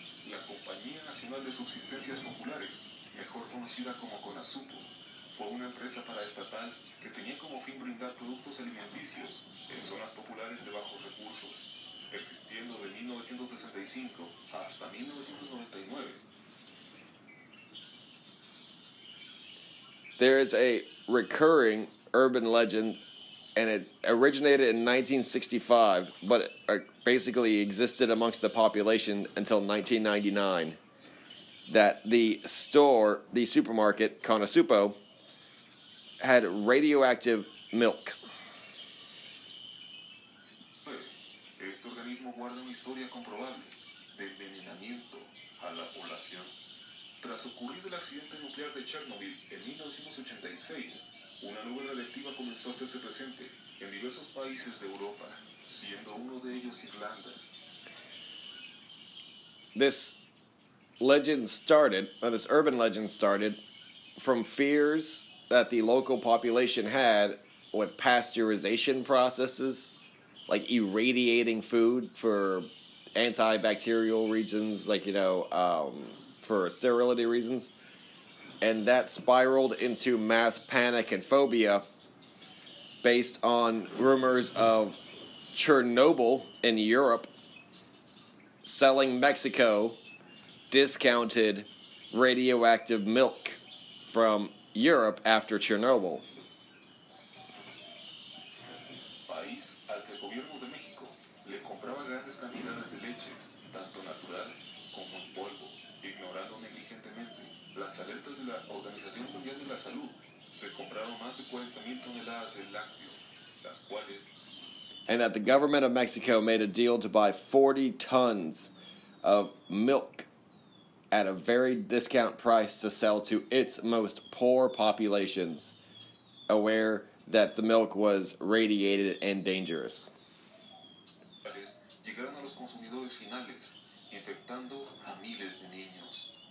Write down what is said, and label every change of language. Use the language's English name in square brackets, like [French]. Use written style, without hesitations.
[Spanish] La Compañía Nacional de Subsistencias Populares, mejor conocida como Conasupo, fue una empresa paraestatal que tenía como fin brindar productos alimenticios en zonas populares de bajos recursos, existiendo de 1965 hasta 1999. [English] There is a recurring urban legend, and it originated in 1965, but basically existed amongst the population until 1999, that the store, the supermarket, Conasupo, had radioactive milk. [Spanish] Este organismo guarda una historia comprobable de envenenamiento a la población. Tras ocurrir el accidente nuclear de Chernobyl en 1986, una nube radiactiva comenzó a hacerse presente en diversos países de Europa, siendo uno de ellos Irlanda. [English] This legend started, or this urban legend started, from fears that the local population had with pasteurization processes, like irradiating food for antibacterial reasons, like, you know, for sterility reasons. And that spiraled into mass panic and phobia based on rumors of Chernobyl in Europe selling Mexico discounted radioactive milk from Europe after Chernobyl. [Spanish] País al que el gobierno de México le compraba grandes cantidades de leche, tanto natural como en polvo, ignorando negligentemente las alertas de la Organización Mundial de la Salud, se compraron más de 40,000 toneladas de lácteo, las cuales. [English] And that the government of Mexico made a deal to buy 40 tons of milk at a very discount price to sell to its most poor populations, aware that the milk was radiated and dangerous. [Spanish] Llegaron a los consumidores finales, infectando a miles de niños.